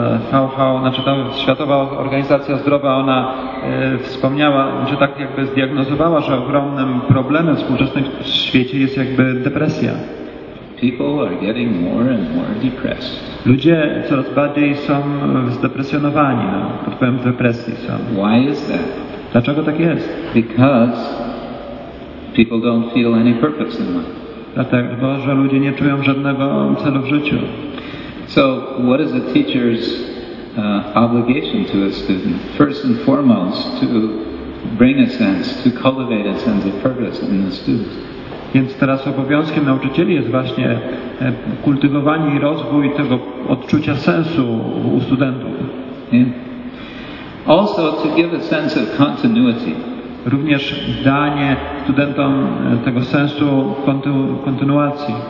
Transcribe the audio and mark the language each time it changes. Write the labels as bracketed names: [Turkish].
[Polish] Ta Światowa Organizacja Zdrowia, ona wspomniała, że tak jakby zdiagnozowała, że ogromnym problemem współczesnym w świecie jest jakby depresja. [English] People are getting more and more depressed. [Polish] Ludzie coraz bardziej są zdepresjonowani, pod wpływem depresji są. [English] Why is that? [Polish] Dlaczego tak jest? [English] Because people don't feel any purpose in life. [Polish] Dlatego, że ludzie nie czują żadnego celu w życiu. [English] So, what is a teacher's obligation to a student? First and foremost, to bring a sense, to cultivate a sense of purpose in the student. [Polish] Więc teraz obowiązkiem nauczycieli jest właśnie kultywowanie i rozwój tego odczucia sensu u studentów. [English] Also to give a sense of continuity. [Polish] Również danie studentom tego sensu kontynuacji.